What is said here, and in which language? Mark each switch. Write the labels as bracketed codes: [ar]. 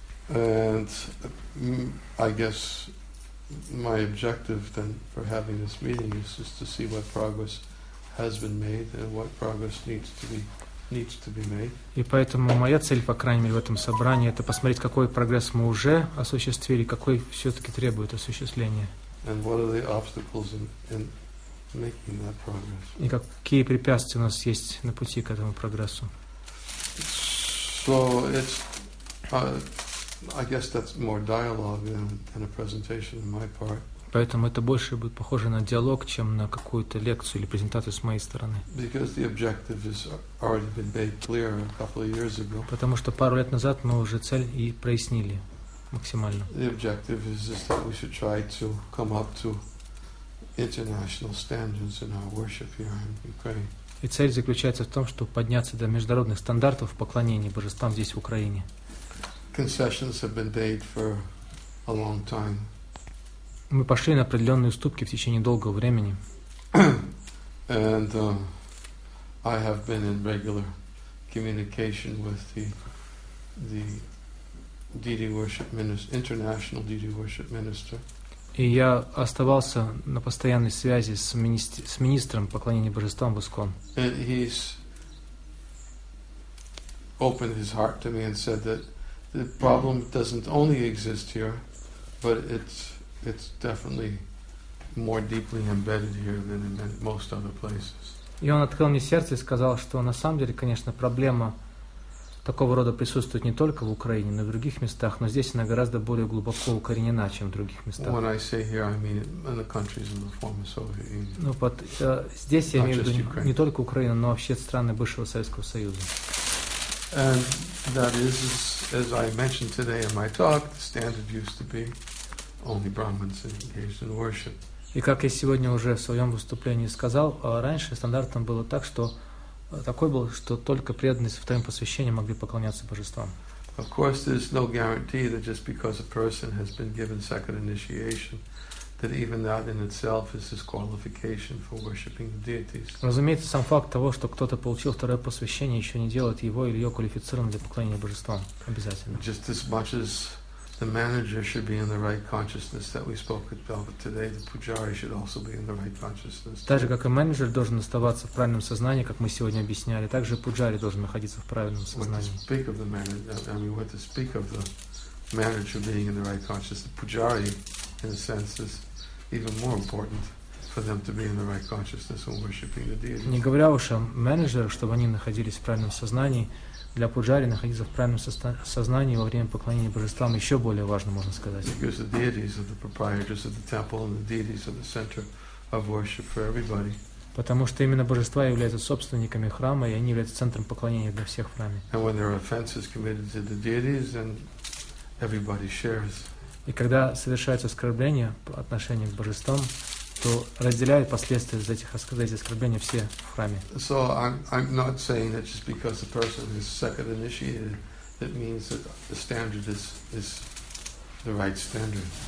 [en] And I guess my objective then for having this meeting is just to see what progress has been made and what progress needs to be made. [ru] И поэтому моя цель, по крайней мере, в этом собрании, это посмотреть, какой прогресс мы уже осуществили, какой все-таки требует осуществления. [en] And what are the obstacles in making that progress? [ru] И какие препятствия у нас есть на пути к этому прогрессу? [en] So it's I guess that's more dialogue than a presentation on my part. [ru] Поэтому это больше будет похоже на диалог, чем на какую-то лекцию или презентацию с моей стороны. [en] Because the objective has already been made clear a couple of years ago. [ru] Потому что пару лет назад мы уже цель и прояснили максимально. [en] The objective is just that we should try to come up to international standards in our worship here in Ukraine. [ru] И цель заключается в том, чтобы подняться до международных стандартов в поклонении божествам здесь в Украине. [en] Concessions have been made for a long time. [ru] Мы пошли на определенные уступки в течение долгого времени. [en] And I have been in regular communication with the deity worship minister, international deity worship minister. [ru] И я оставался на постоянной связи с министром поклонения божествам в ИСККОН. [en] And he's opened his heart to me and said that the problem doesn't only exist here, but it's definitely more deeply embedded here than in most other places. [ru] И он открыл мне сердце и сказал, что на самом деле, конечно, проблема такого рода присутствует не только в Украине, но и в других местах, но здесь она гораздо более глубоко укоренена, чем в других местах. [en] When I say here, I mean in the countries of the former Soviet Union. [ru] Ну, под здесь я имею в виду не только Украину, но вообще страны бывшего Советского Союза. [en] And that is, as I mentioned today in my talk, the standard used to be only Brahmins engaged in worship. [ru] И как я сегодня уже в своем выступлении сказал, раньше стандартом было так, что такой был, что только преданные с вторым посвящением могли поклоняться божествам. [en] Of course, there's no guarantee that just because a person has been given second initiation, that even that in itself is his qualification for worshiping the deities. [ru] Разумеется, сам факт того, что кто-то получил второе посвящение, еще не делает его или ее квалифицированным для поклонения божествам обязательно. [en] Just as much as the manager should be in the right consciousness that we spoke about today, the pujari should also be in the right consciousness. [ru] Также как и менеджер должен оставаться в правильном сознании, как мы сегодня объясняли, также пуджари должен находиться в правильном сознании. [en] What to speak of the manager being in the right consciousness, the pujari, in a sense, is even more important for them to be in the right consciousness when worshiping the deity. [ru] Не говоря уж о менеджерах, чтобы они находились в правильном сознании, для пуджари находиться в правильном сознании во время поклонения божествам еще более важно, можно сказать. [en] Because the deities are the proprietors of the temple and the deities are the center of worship for everybody. [ru] Потому что именно божества являются собственниками храма, и они являются центром поклонения для всех в храме. [en] And when there are offenses committed to the deities, then everybody shares. [ru] И когда совершается оскорбление по отношению к божествам, то разделяют последствия за эти оскорбления все в храме. [en] So I'm not saying that just because a person is second initiated, that means that the standard is the right standard.